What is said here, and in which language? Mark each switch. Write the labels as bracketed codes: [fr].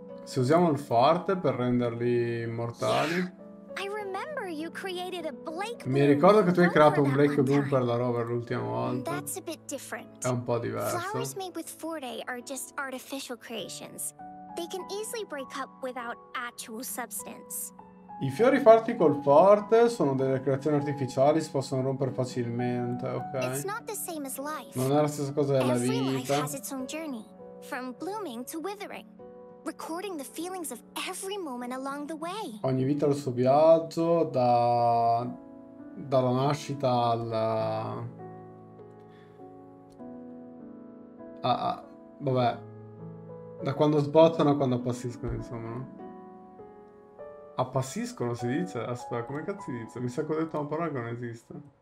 [it] Se usiamo il forte per renderli immortali. [en] I remember you created a Blake Bloom. [it] Mi ricordo che tu hai creato un Blake Bloom per la rover l'ultima volta. È un po' diverso. [en] Flowers made with Forte are just artificial creations. They can easily break up without actual substance. [it] I fiori fatti col forte sono delle creazioni artificiali, si possono rompere facilmente, ok? [en] It's not the same as life. [it] Non è la stessa cosa della vita. [en] Every life has its own journey, from blooming to withering. Recording the feelings of every moment along the way. [it] Ogni vita ha il suo viaggio, dalla nascita alla... vabbè. Da quando sbottano a quando appassiscono, insomma. Appassiscono si dice? Aspetta, come cazzo si dice? Mi sa che ho detto una parola che non esiste.